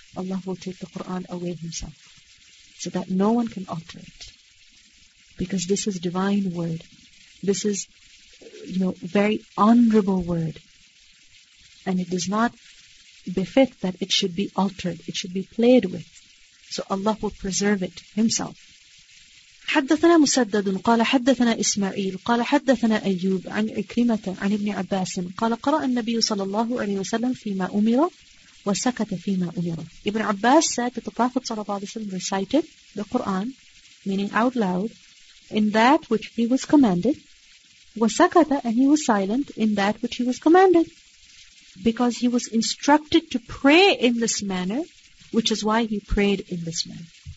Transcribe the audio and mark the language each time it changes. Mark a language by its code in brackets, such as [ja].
[en] Allah will take the Qur'an away Himself, so that no one can alter it. Because this is divine word. This is, you know, very honorable word. And it does not befit that it should be altered. It should be played with. So Allah will preserve it Himself. [ar] حدثنا مسدد قال حدثنا إسماعيل قال حدثنا أيوب عن عكرمة عن ابن عباس قال قرأ النبي صلى الله عليه وسلم فيما أمر وسكت فيما أمر. [en] Ibn Abbas said that the Prophet صلى الله عليه وسلم recited the Quran, meaning out loud, in that which he was commanded, [ar] وسكت, [en] and he was silent in that which he was commanded, because he was instructed to pray in this manner, which is why he prayed in this manner.